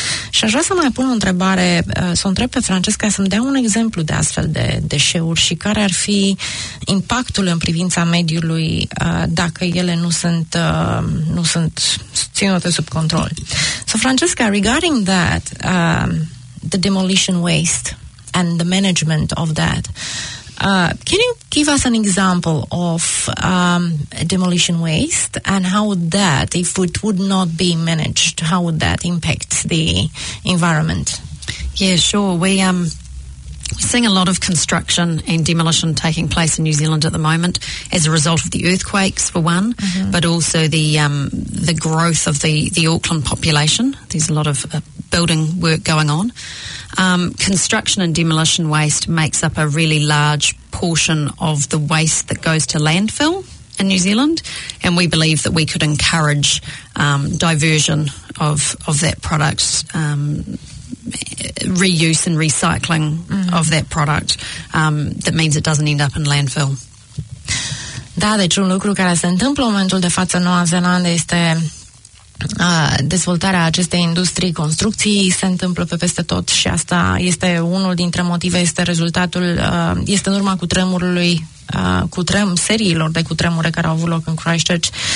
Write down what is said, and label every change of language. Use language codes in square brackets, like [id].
[ro] Și aș vrea să mai pun o întrebare, să o întreb pe Francesca să-mi dea un exemplu de astfel de deșeuri și care ar fi impactul în privința mediului dacă ele nu sunt ținute sub control. [en] So, Francesca, regarding that, the demolition waste and the management of that, can you give us an example of demolition waste and how would that, if it would not be managed, how would that impact the environment? Yeah, sure. We seeing a lot of construction and demolition taking place in New Zealand at the moment as a result of the earthquakes, for one, but also the growth of the Auckland population. There's a lot of building work going on. Construction and demolition waste makes up a really large portion of the waste that goes to landfill in New Zealand, and we believe that we could encourage diversion of that product, reuse and recycling of that product, that means it doesn't end up in landfill. [ro] Da, deci un lucru care se întâmplă în momentul de față în Noua Zeelandă este dezvoltarea acestei industrii construcții, se întâmplă pe peste tot și asta este unul dintre motive, este rezultatul, este în urma cutremurului, seriilor de cutremure care au avut loc în Christchurch.